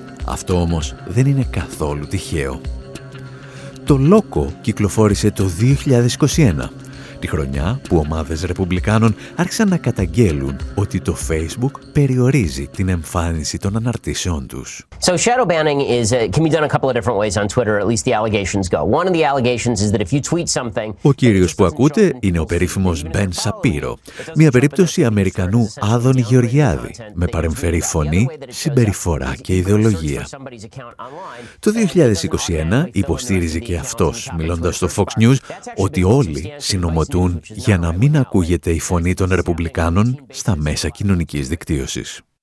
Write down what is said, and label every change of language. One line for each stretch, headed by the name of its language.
Greek: Αυτό όμως δεν είναι καθόλου τυχαίο. Το Λόκο κυκλοφόρησε το 2021. Τη χρονιά που ομάδες ρεπουμπλικάνων άρχισαν να καταγγέλουν ότι το Facebook περιορίζει την εμφάνιση των αναρτήσεών τους.
English: So shadow banning is can be done a couple of different ways on Twitter, at least the allegations go. One of the allegations is that if you tweet something.
Greek: Ο κύριος που ακούτε είναι ο περίφημος Ben Shapiro, μια περίπτωση Αμερικανού Άδωνη Γεωργιάδη, με παρεμφερή φωνή, συμπεριφορά και ιδεολογία. Το 2021 υποστήριζε και αυτός, μιλώντας στο Fox News, ότι όλοι συνωμοτούν για να μην ακούγεται η φωνή των Ρεπουμπλικάνων στα μέσα κοινωνικής δικτύωσης.